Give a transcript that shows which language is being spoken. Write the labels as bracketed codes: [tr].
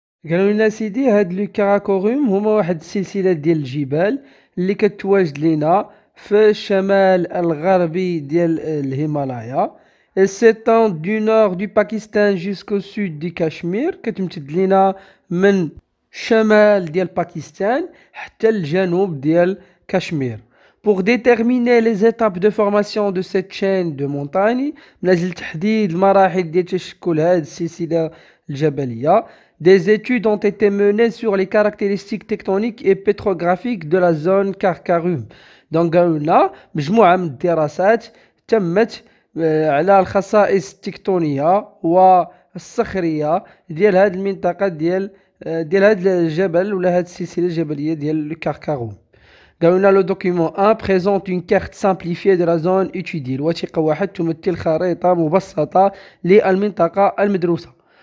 [ar] قالوا لنا سيدي هاد لو كاراكوريوم هما واحد السلسلة ديال الجبال اللي كتواجد لنا في الشمال الغربي ديال الهيمالايا، [fr] سيتون دو نورد دو باكستان جوسكو سود دي كشمير، [ar] كتمتد لنا من شمال ديال باكستان حتى الجنوب ديال كشمير. [fr] Pour déterminer les étapes de formation de cette chaîne de montagne, [ar] من أجل تحديد المراحل ديال تشكل هذه السلسلة الجبلية، [fr] des études ont été menées sur les caractéristiques tectoniques et pétrographiques de la zone Karakorum. [ar] Donc, هنا مجموعة من الدراسات تمت على الخصائص التكتونية والصخرية ديال هذه المنطقة ديال هذا الجبل ولا هذه السلسله الجبليه ديال الكركارو. قالوا لنا [fr] لو دوكيمون 1 بريزونت اون كارت سامبليفيه دو لا زون اتيدي، [ar] الوثيقه واحد تمثل خريطه مبسطه للمنطقه المدروسه.